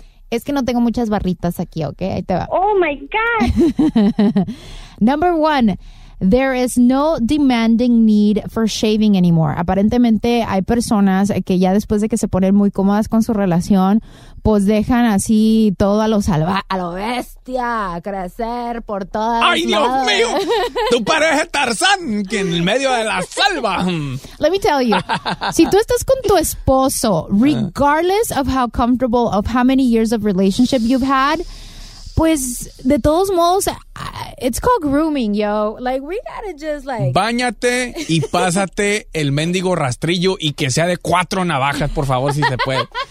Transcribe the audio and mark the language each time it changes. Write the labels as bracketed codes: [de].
[es] Es que no tengo muchas barritas aquí, ¿ok? Ahí te va. [en] Oh my God. Number one, there is no demanding need for shaving anymore. [es] Aparentemente hay personas que ya después de que se ponen muy cómodas con su relación, pues dejan así todo a lo bestia, crecer por todas lados. ¡Ay, Dios mío! Tú pareces Tarzán, que en el medio de la selva. [en] Let me tell you, [es] si tú estás con tu esposo, [en] regardless of how comfortable, of how many years of relationship you've had, [es] pues, de todos modos, [en] it's called grooming, yo. Like, we gotta just, like... [es] Báñate y pásate el mendigo rastrillo y que sea de 4 navajas, por favor, si se puede.